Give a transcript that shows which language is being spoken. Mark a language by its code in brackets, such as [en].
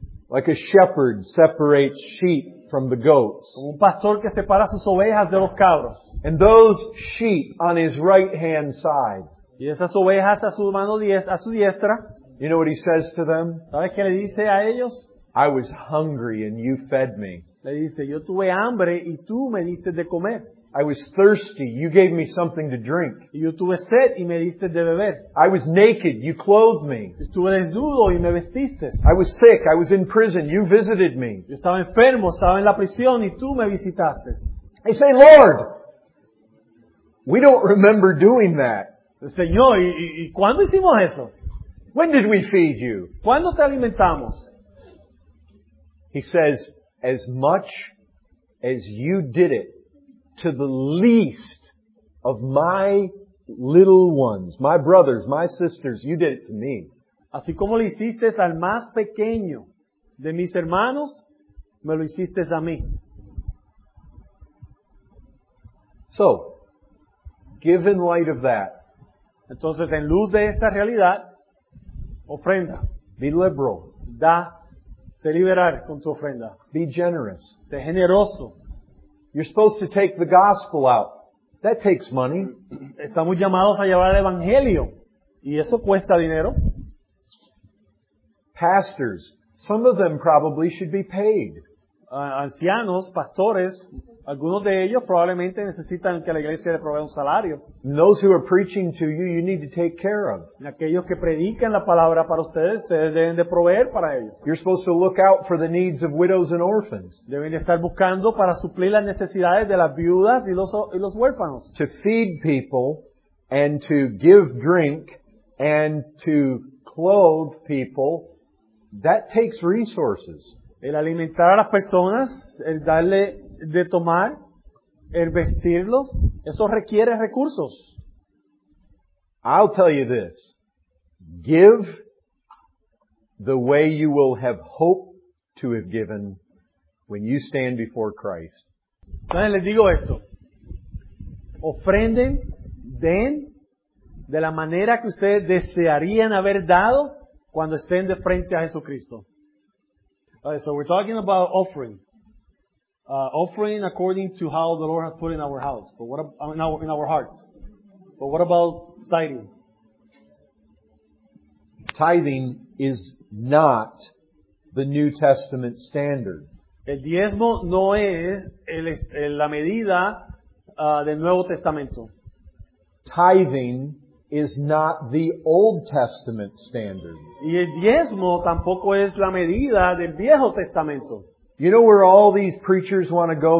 [en] Like a shepherd separates sheep from the goats. [es] Como un pastor que separa sus ovejas de los cabros. [en] And those sheep on his right hand side. [es] Y esas ovejas a su mano diestra, a su diestra. [en] You know what he says to them? [es] ¿Sabes qué le dice a ellos? [en] I was hungry and you fed me. [es] Le dice, yo tuve hambre y tú me diste de comer. [en] I was thirsty, you gave me something to drink. [es] Y yo tuve sed y me diste de beber. [en] I was naked, you clothed me. [es] Estuve desnudo y me vestiste. [en] I was sick, I was in prison, you visited me. [es] Yo estaba enfermo, estaba en la prisión y tú me visitaste. [en] They say, Lord, we don't remember doing that. [es] Señor, ¿y cuándo hicimos eso? [en] When did we feed you? [es] ¿Cuándo te alimentamos? [en] He says, as much as you did it to the least of my little ones, my brothers, my sisters, you did it to me. [es] Así como le hiciste al más pequeño de mis hermanos, me lo hiciste a mí. [en] So, given light of that, [es] entonces, en luz de esta realidad, ofrenda. [en] Be liberal. [es] Da. Sé liberal con tu ofrenda. [en] Be generous. [es] Sé generoso. [en] You're supposed to take the gospel out. That takes money. [es] Estamos llamados a llevar el evangelio. Y eso cuesta dinero. [en] Pastors. Some of them probably should be paid. [es] Ancianos, pastores. Algunos de ellos probablemente necesitan que la iglesia le provea un salario. [en] And those who are preaching to you, you need to take care of. [es] Aquellos que predican la palabra para ustedes, ustedes deben de proveer para ellos. [en] You're supposed to look out for the needs of widows and orphans. [es] Deben de estar buscando para suplir las necesidades de las viudas y los huérfanos. [en] To feed people and to give drink and to clothe people, that takes resources. [es] El alimentar a las personas, el darle de tomar, el vestirlos, eso requiere recursos. [en] I'll tell you this. Give the way you will have hoped to have given when you stand before Christ. [es] Entonces les digo esto. Ofrenden, den de la manera que ustedes desearían haber dado cuando estén de frente a Jesucristo. [en] All right, so we're talking about offering. Offering according to how the Lord has put in our house, but what in our hearts. But what about tithing? Tithing is not the New Testament standard. [es] El diezmo no es la medida del Nuevo Testamento. [en] Tithing is not the Old Testament standard. [es] Y el diezmo tampoco es la medida del Viejo Testamento. [en] You know where all these preachers want to go?